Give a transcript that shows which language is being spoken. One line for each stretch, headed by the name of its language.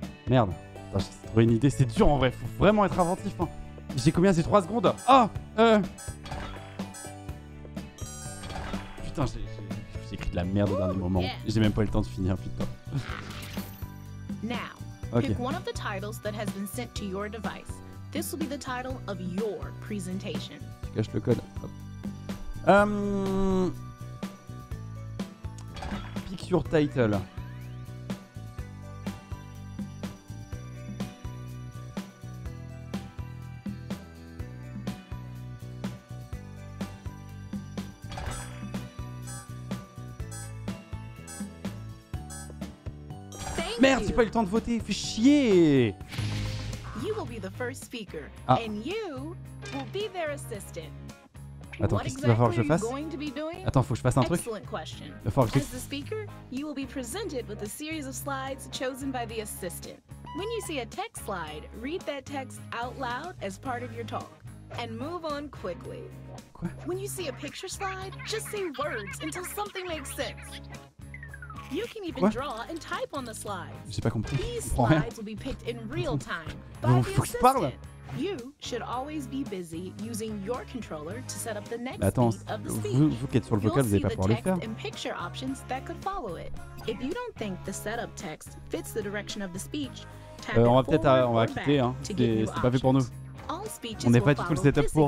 French: Merde, attends, j'ai trouvé une idée, c'est dur en vrai, faut vraiment être inventif. Hein. J'ai combien, c'est 3 secondes. Oh Putain, j'ai écrit de la merde au dernier moment. Yeah. J'ai même pas eu le temps de finir, putain.
English: Now, okay. Pick one of the titles that has been sent to your device. This will be the title of your presentation.
French: Je cache le code. Hop.
English: Pick your title.
French: Merde, j'ai pas eu le temps de voter, fais chier!
English: You will be the first speaker, ah. And you will be their assistant.
French: Attends, qu'est-ce qu'il va falloir que je fasse? Attends, faut que je fasse un truc.
English: Excellent question.
French: Il va falloir que je...
English: As the speaker, you will be presented with a series of slides chosen by the assistant. When you see a text slide, read that text out loud as part of your talk. And move on quickly.
French: Quoi?
English: When you see a picture slide, just say words until something makes sense. You can even
French: quoi?
English: Draw and type on the slides.
French: J'ai pas compris.
English: These slides will be picked in real time. By the assistant. You should always be busy using your controller to set up the next beat of the speech.
French: Vous qui êtes sur le vocal, vous n'avez pas pour le faire.
English: And picture options that could follow it. If you don't think the setup text fits the direction of the speech,
French: on va peut-être on va quitter hein. C'est pas fait pour nous.
English: All speeches
French: on n'est pas du tout le setup pour.